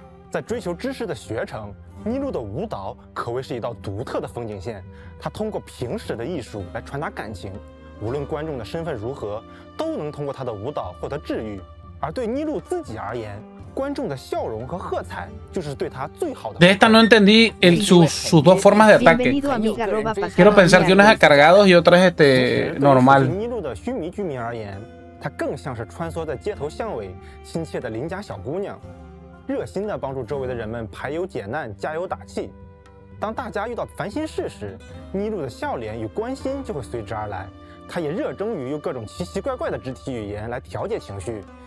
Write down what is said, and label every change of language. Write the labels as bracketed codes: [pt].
[zh] 在追求知识的学程，妮露的舞蹈可谓是一道独特的风景线，她通过平时的艺术来传达感情，无论观众的身份如何都能通过她的舞蹈获得治愈。而对妮露自己而言，观众的笑容和喝彩就是对她最好的。 [es] De esta no entendí el sus dos formas de ataque. Quiero pensar que una es cargados y otra es normal. [zh] 对妮露的须弥居民而言，她更像是穿梭在街头巷尾、亲切的邻家小姑娘，热心地帮助周围的人们排忧解难、加油打气。当大家遇到烦心事时，妮露的笑脸与关心就会随之而来。她也热衷于用各种奇奇怪怪的肢体语言来调节情绪。